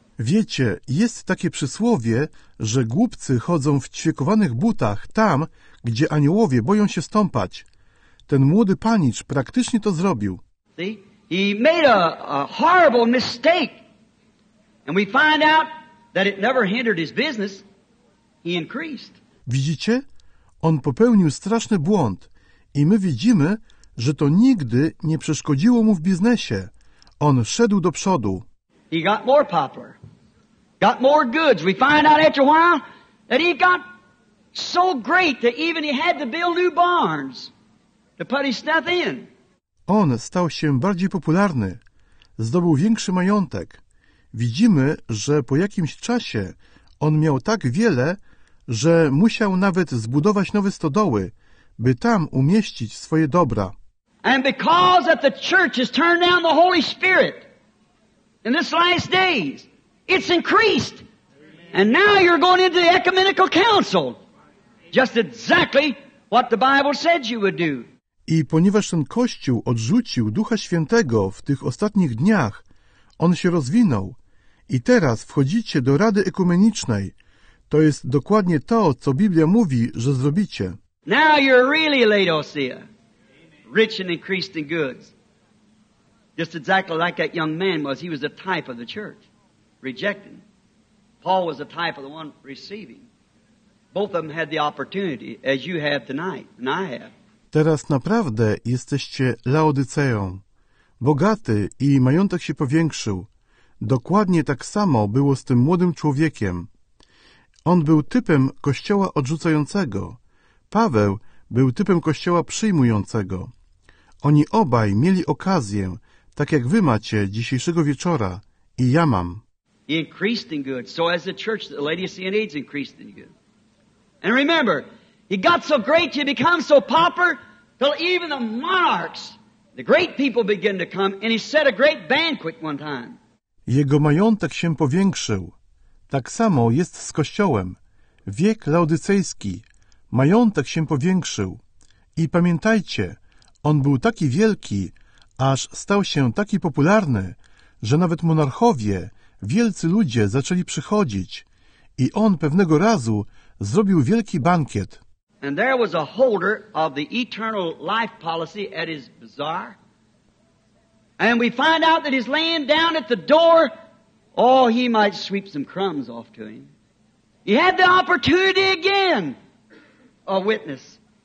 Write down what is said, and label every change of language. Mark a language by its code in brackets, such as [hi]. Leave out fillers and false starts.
[pl] Wiecie, jest takie przysłowie, że głupcy chodzą w ćwiekowanych butach tam, gdzie aniołowie boją się stąpać. Ten młody panicz praktycznie to zrobił. [en] See? He made a horrible mistake. And we find out that it never hindered his business. He increased. [pl] Widzicie? On popełnił straszny błąd i my widzimy, że to nigdy nie przeszkodziło mu w biznesie. On szedł do przodu. [en] He got more popular. Got more goods. We find out after a while that he got so great that even he had to build new barns to put his stuff in. [pl] On stał się bardziej popularny. Zdobył większy majątek. widzimy, że po jakimś czasie on miał tak wiele, że musiał nawet zbudować nowe stodoły, by tam umieścić swoje dobra. [en] And because that the church has turned down the Holy Spirit in this last days, it's increased. And now you're going into the ecumenical council. Just exactly what the Bible said you would do. [pl] I ponieważ ten Kościół odrzucił Ducha Świętego w tych ostatnich dniach, on się rozwinął. I teraz wchodzicie do Rady Ekumenicznej. To jest dokładnie to, co Biblia mówi, że zrobicie. [en] Now you're really Laodicea. Rich and increased in goods. Just exactly like that young man was. He was a type of the church. Rejecting. Paul was a type of the one receiving. Both of them had the opportunity, as you have tonight, and I have. [pl] Teraz naprawdę jesteście Laodyceą. Bogaty i majątek się powiększył. Dokładnie tak samo było z tym młodym człowiekiem. On był typem kościoła odrzucającego. Paweł był typem kościoła przyjmującego. Oni obaj mieli okazję, tak jak wy macie dzisiejszego wieczora i ja mam. [en] He increased in good. So as the church, the Laodicean age increased in good. And remember, he got so great, he became so popular, till even the monarchs, the great people began to come, and he set a great banquet one time. [pl] Jego majątek się powiększył. Tak samo jest z Kościołem. Wiek laodycejski. Majątek się powiększył. I pamiętajcie, on był taki wielki, aż stał się taki popularny, że nawet monarchowie, wielcy ludzie zaczęli przychodzić. I on pewnego razu zrobił wielki bankiet. [en] And there was a holder of the eternal life policy at his bazaar. And we find out that he's laying down at the door. Oh, he might sweep some crumbs off to him. He had the opportunity again. A witness.